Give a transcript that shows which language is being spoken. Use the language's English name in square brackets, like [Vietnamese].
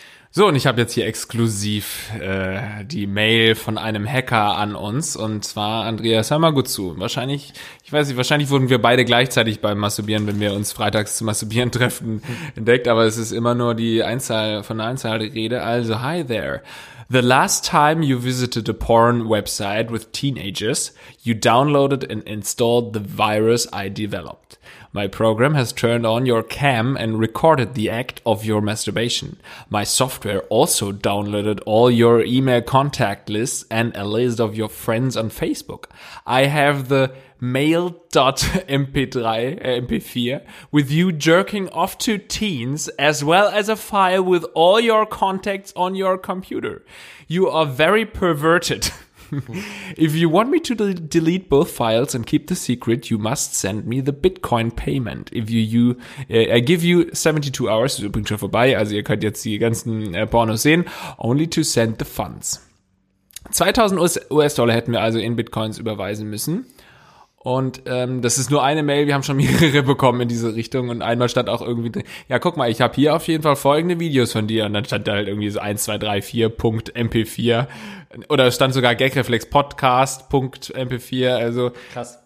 [German] So, und ich habe jetzt hier exklusiv die Mail von einem Hacker an uns, und zwar Andreas, hör mal gut zu, wahrscheinlich wurden wir beide gleichzeitig beim Masturbieren, wenn wir uns freitags zum Masturbieren treffen, entdeckt, aber es ist immer nur die Einzahl von der Einzahl der Rede, also [English] hi there. The last time you visited a porn website with teenagers, you downloaded and installed the virus I developed. My program has turned on your cam and recorded the act of your masturbation. My software also downloaded all your email contact lists and a list of your friends on Facebook. I have the mail.mp4 with you jerking off to teens, as well as a file with all your contacts on your computer. You are very perverted. If you want me to delete both files and keep the secret, you must send me the Bitcoin payment. I give you 72 hours, [German] ist übrigens schon vorbei, also ihr könnt jetzt die ganzen Pornos sehen, [English] only to send the funds. [German] 2000 US-Dollar hätten wir also in Bitcoins überweisen müssen. Und das ist nur eine Mail, wir haben schon mehrere bekommen in diese Richtung und einmal stand auch irgendwie, ja guck mal, ich habe hier auf jeden Fall folgende Videos von dir und dann stand da halt irgendwie so 1234.mp4 oder es stand sogar gagreflexpodcast.mp4, also krass.